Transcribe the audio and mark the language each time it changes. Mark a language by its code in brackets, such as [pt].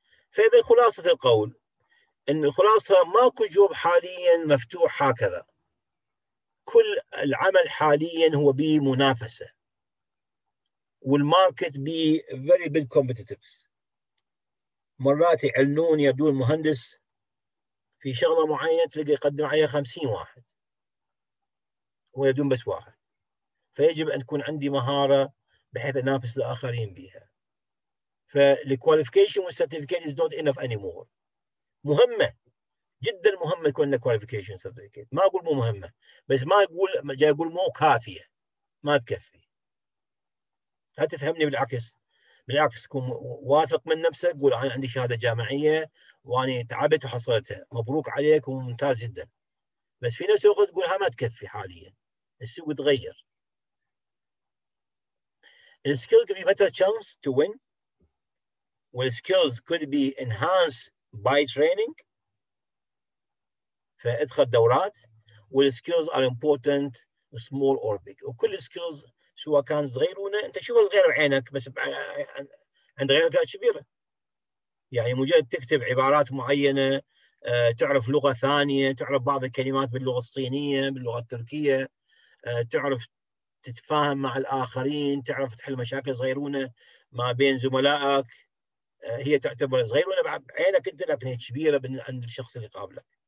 [ar] فاذا خلاصة القول ان الخلاصة ماكو جوب حاليا مفتوح هكذا، كل العمل حاليا هو به منافسة، والماركت به [en] very big competitors. [ar] مرات يعلنون يبدون مهندس في شغلة معينة تلقى يقدم عليها 50 واحد ويبدون بس واحد، فيجب أن تكون عندي مهارة بحيث أنافس الآخرين بها. فالكواليفيكيشن والسيرتيفيكيت [en] is not enough anymore. [ar] مهمة جدا، مهمة يكون لك كواليفيكيشن سيرتيفيكيت، ما أقول مو مهمة، بس ما أقول، جاي أقول مو كافية، ما تكفي. هل تفهمني؟ بالعكس، بالعكس، كن واثق من نفسك، قول أنا عندي شهادة جامعية وأنا تعبت وحصلتها، مبروك عليك وممتاز جدا. بس في نفس الوقت تقول ها ما تكفي حاليا، السوق تغير. [en] The skills could be better chance to win. Well, skills could be enhanced by training. [ar] فادخل دورات. [en] Well, skills are important, small or big. [ar] وكل skills سواء كان صغيرونة، انت شوفها صغيرة بعينك، بس عند غيرك لا كبيرة. يعني مجرد تكتب عبارات معينة، تعرف لغة ثانية، تعرف بعض الكلمات باللغة الصينية، باللغة التركية، تعرف تتفاهم مع الآخرين، تعرف تحل مشاكل صغيرونة ما بين زملائك، هي تعتبر صغيرونة بعينك أنت، لكن هي كبيرة عند الشخص اللي قابلك.